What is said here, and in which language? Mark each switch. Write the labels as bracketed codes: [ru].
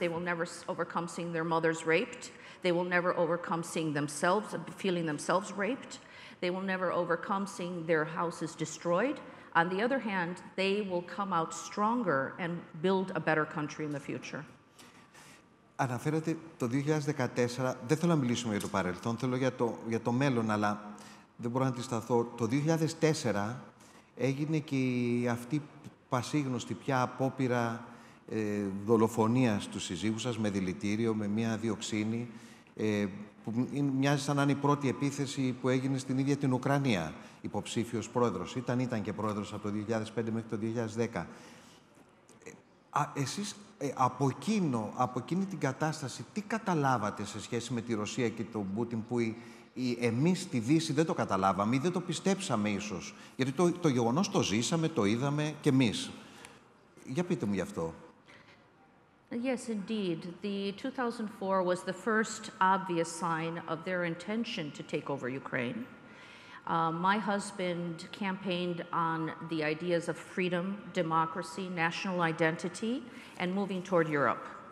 [en] They will never overcome seeing their mothers raped. They will never overcome seeing themselves, feeling themselves raped. They will never overcome seeing their houses destroyed. On the other hand, they will come out stronger and build a better country in the future. [el] Αναφέρατε το 2014, δεν θέλω να μιλήσουμε για το παρελθόν, θέλω για το μέλλον, αλλά δεν μπορώ να αντισταθώ. Το 2004 έγινε και αυτή πασίγνωστη πια απόπειρα δολοφονίας του συζύγου σας με δηλητήριο, με μία διοξίνη, που μοιάζει σαν να είναι η πρώτη επίθεση που έγινε στην ίδια την Ουκρανία, υποψήφιος πρόεδρος. Ήταν και πρόεδρος από το 2005 μέχρι το 2010. Εσείς από εκείνη την κατάσταση, τι καταλάβατε σε σχέση με τη Ρωσία και τον Πούτιν που εμείς στη Δύση δεν το καταλάβαμε ή δεν το πιστέψαμε ίσως. Γιατί το γεγονός το ζήσαμε, το είδαμε και εμείς. Για πείτε μου γι' αυτό. [en] Yes, indeed. The 2004 was the first obvious sign of their intention to take over Ukraine. My husband campaigned on the ideas of freedom, democracy, national identity, and moving toward Europe.